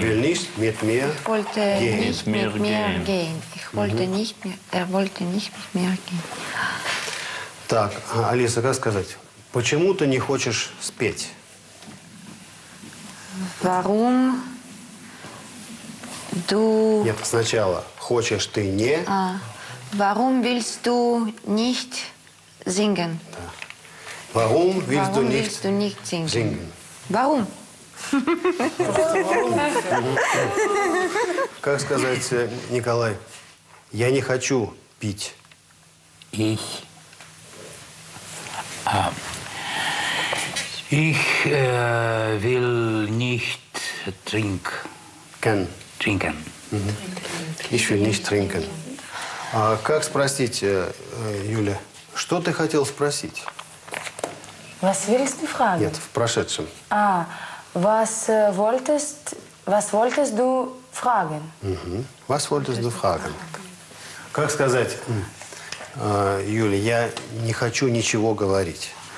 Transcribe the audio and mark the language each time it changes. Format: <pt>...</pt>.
<de>Will nicht mit mir gehen. Nicht mit mir gehen. Wollte nicht mit mir gehen.</de> <ru>Так, Алиса, как сказать? Почему ты не хочешь спеть?</ru> <de>Warum du...</de> <ru>Нет, сначала. Хочешь ты не...</ru> <de>Warum willst du nicht singen? Да. Warum willst du nicht, singen? Warum?</de> <ru>Как сказать, Николай, я не хочу пить.</ru> <de>Ich will nicht trinken. Trinken. Ich will nicht trinken.</de> <ru>А как спросить, Юля, что ты хотел спросить?</ru> <de>Was willst du fragen?</de> <ru>Нет, в прошедшем.</ru> <de>А, was wolltest du fragen? Was wolltest du fragen?</de> <ru>Как сказать, Юля, я не хочу ничего говорить.</ru>